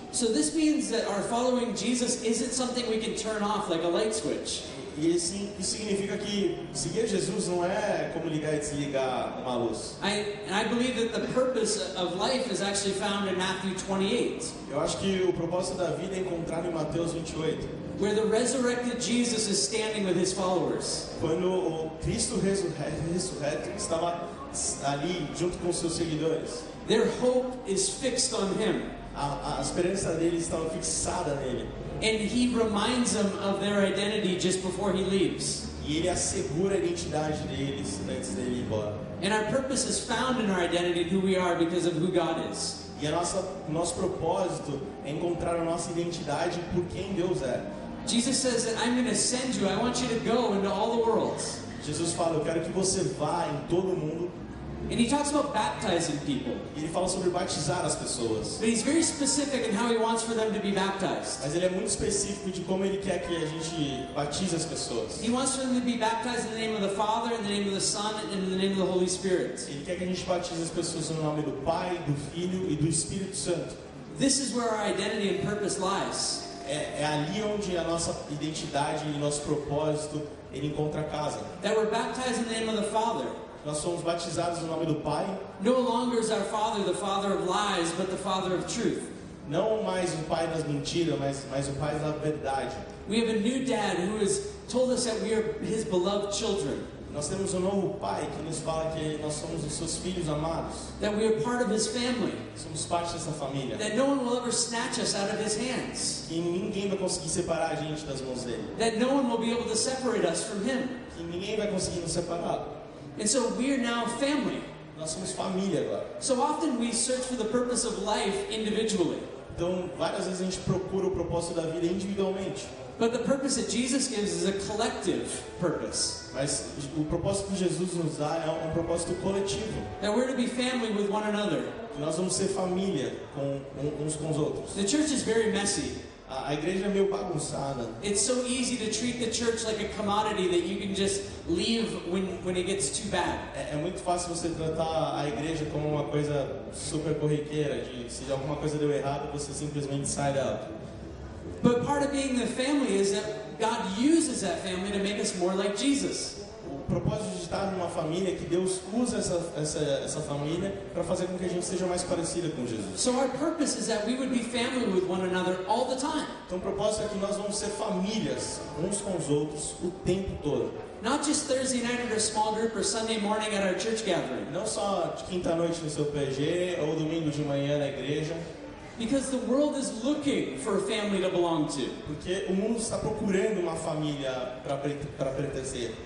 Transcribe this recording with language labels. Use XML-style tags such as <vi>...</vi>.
<en>So this means that our following Jesus isn't something we can turn off like a light switch.</en> <pt>E assim, isso significa que seguir Jesus não é como ligar e desligar uma luz.</pt> <en>I believe that the purpose of life is actually found in Matthew 28.</en> <pt>Eu acho que o propósito da vida é encontrado em Mateus 28.</pt> <en>Where the resurrected Jesus is standing with His followers.</en> <pt>Quando o Cristo ressurreto estava ali junto com seus seguidores.</pt> <en>Their hope is fixed on him.</en> <pt>A esperança deles estava fixada nele.</pt> <en>And he reminds them of their identity just before he leaves.</en> <pt>E ele assegura a identidade deles antes dele ir embora.</pt> <en>And our purpose is found in our identity, who we are, because of who God is.</en> <pt>E nosso propósito é encontrar a nossa identidade por quem Deus é.</pt> <en>Jesus says that I'm going to send you. I want you to go into all the world.</en> <pt>Jesus fala, eu quero que você vá em todo o mundo.</pt> <en>And he talks about baptizing people.</en> <pt>E ele fala sobre batizar as pessoas.</pt> <en>But he's very specific in how he wants for them to be baptized.</en> <pt>Mas ele é muito específico de como ele quer que a gente batize as pessoas.</pt> <en>He wants for them to be baptized in the name of the Father, in the name of the Son, and in the name of the Holy Spirit.</en> <pt>Ele quer que a gente batize as pessoas no nome do Pai, do Filho e do Espírito Santo.</pt> <en>This is where our identity and purpose lies.</en> <pt>É ali onde a nossa identidade e nosso propósito ele encontra a casa.</pt> <en>That we're baptized in the name of the Father.</en> <pt>Nós somos batizados no nome do Pai.</pt> <en>No longer is our Father the Father of lies, but the Father of truth.</en> <pt>Não mais o Pai das mentiras, mas o Pai da verdade.</pt> <en>We have a new Dad who has told us that we are His beloved children.</en> <pt>Nós temos novo Pai que nos fala que nós somos os seus filhos amados.</pt> <en>That we are part of His family.</en> <pt>Somos parte dessa família.</pt> <en>That no one will ever snatch us out of His hands.</en> <pt>Que ninguém vai conseguir separar a gente das mãos dele.</pt> <en>That no one will be able to separate us from Him.</en> <pt>Que ninguém vai conseguir nos separar.</pt> <en>And so we are now family.</en> <pt>Nós somos família agora.</pt> <en>So often we search for the purpose of life individually.</en> <pt>Então várias vezes a gente procura o propósito da vida individualmente.</pt> <en>But the purpose that Jesus gives is a collective purpose.</en> <pt>Mas o propósito que Jesus nos dá é propósito coletivo.</pt> <en>That we're to be family with one another.</en> <pt>Que nós vamos ser família uns com os outros.</pt> <en>The church is very messy.</en> <pt>A igreja é meio bagunçada.</pt> <en>It's so easy to treat the church like a commodity that you can just leave when it gets too bad.</en> <pt>É muito fácil você tratar a igreja como uma coisa super corriqueira, de se alguma coisa deu errado, você simplesmente sai dela.</pt> <en>But part of being the family is that God uses that family to make us more like Jesus.</en> <pt>O propósito de estar numa família é que Deus usa essa família para fazer com que a gente seja mais parecida com Jesus.</pt> <en>So our purpose is that we would be family with one another all the time.</en> <pt>Então o propósito é que nós vamos ser famílias uns com os outros o tempo todo.</pt> <en>Not just Thursday night at our small group or Sunday morning at our church gathering.</en> <pt>Não só de quinta noite no seu PG ou domingo de manhã na igreja.</pt> <en>Because the world is looking for a family to belong to.</en> <pt>Porque o mundo está procurando uma família para pertencer.</pt>